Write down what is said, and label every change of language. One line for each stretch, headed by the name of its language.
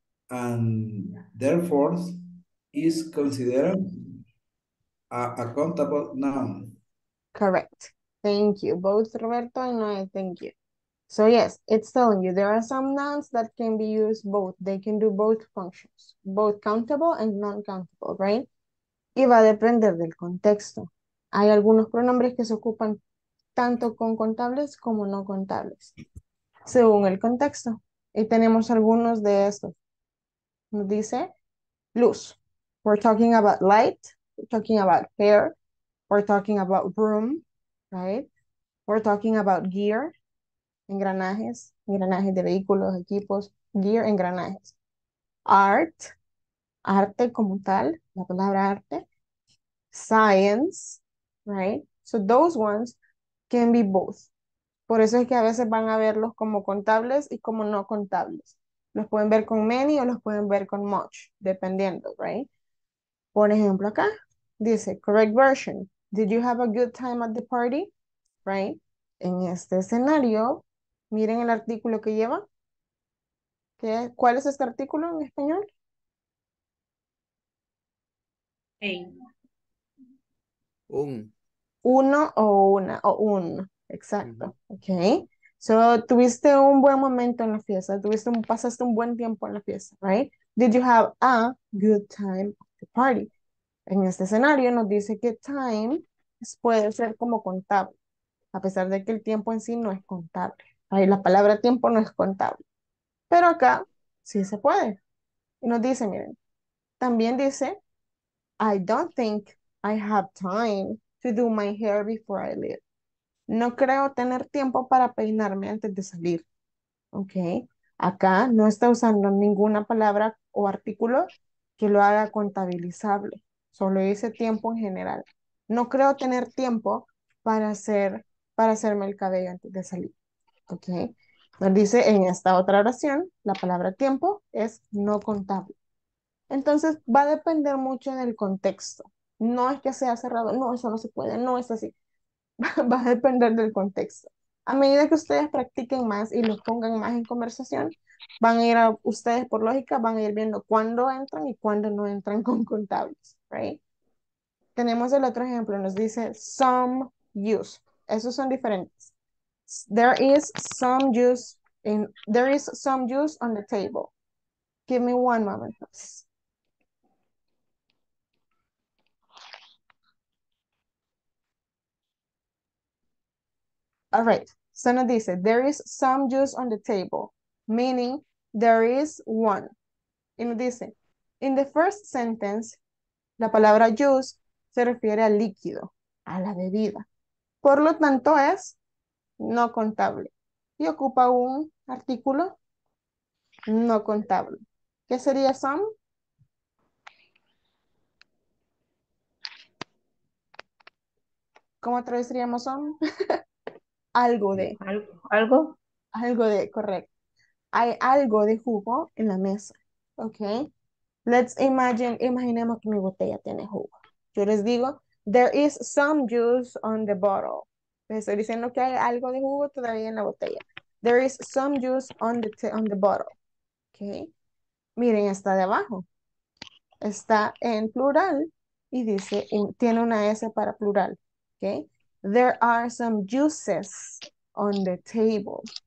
English: And therefore, is considered a countable noun. Correct. Thank you, both Roberto and Noé. Thank you. So yes, it's telling you there are some nouns that can be used both. They can do both functions, both countable and non-countable, right?
Spanish: Y va a depender del contexto. Hay algunos pronombres que se ocupan tanto con contables como no contables, según el contexto. Y tenemos algunos de estos. Nos dice luz.
English: We're talking about light. We're talking about hair. We're talking about room, right? We're talking about gear.
Spanish: Engranajes, engranajes de vehículos, equipos, gear, engranajes. Art, arte como tal, la palabra arte.
English: Science, right? So those ones can be both.
Spanish: Por eso es que a veces van a verlos como contables y como no contables. Los pueden ver con many o los pueden ver con much, dependiendo, right? Por ejemplo acá, dice,
English: correct version. Did you have a good time at the party? Right?
Spanish: En este escenario, miren el artículo que lleva. ¿Qué? ¿Cuál es este artículo en español? Hey. Uno o una, o un. Exacto. Uh-huh. Ok. So, tuviste un buen momento en la fiesta. Pasaste un buen tiempo en la fiesta, right?
English: Did you have a good time at the party?
Spanish: En este escenario nos dice que time puede ser como contable, a pesar de que el tiempo en sí no es contable. Ahí la palabra tiempo no es contable. Pero acá sí se puede. Y nos dice, miren, también dice,
English: I don't think I have time to do my hair before I leave.
Spanish: No creo tener tiempo para peinarme antes de salir. Ok. Acá no está usando ninguna palabra o artículo que lo haga contabilizable. Solo dice tiempo en general. No creo tener tiempo para hacerme el cabello antes de salir. Ok. Dice en esta otra oración, la palabra tiempo es no contable. Entonces, va a depender mucho del contexto. No es que sea cerrado, no, eso no se puede, no es así. Va a depender del contexto. A medida que ustedes practiquen más y los pongan más en conversación, van a ir a ustedes, por lógica, van a ir viendo cuándo entran y cuándo no entran con contables. Right? Tenemos el otro ejemplo, nos dice some use. Esos son diferentes.
English: There is some juice in there is some juice on the table. Give me one moment, please. All right. So now dice there is some juice on the table, meaning there is one.
Spanish: Y nos dice
English: in the first sentence,
Spanish: la palabra juice se refiere al líquido, a la bebida. Por lo tanto es no contable. Y ocupa un artículo no contable. ¿Qué sería some? ¿Cómo traduciríamos some? Algo de. ¿Algo? Algo de, correcto. Hay algo de jugo en la mesa. Ok.
English: Let's imagine,
Spanish: imaginemos que mi botella tiene jugo. Yo les digo,
English: there is some juice on the bottle.
Spanish: Les estoy diciendo que hay algo de jugo todavía en la botella.
English: There is some juice on the bottle.
Spanish: Okay. Miren, está de abajo. Está en plural y dice, tiene una S para plural. Okay.
English: There are some juices on the table.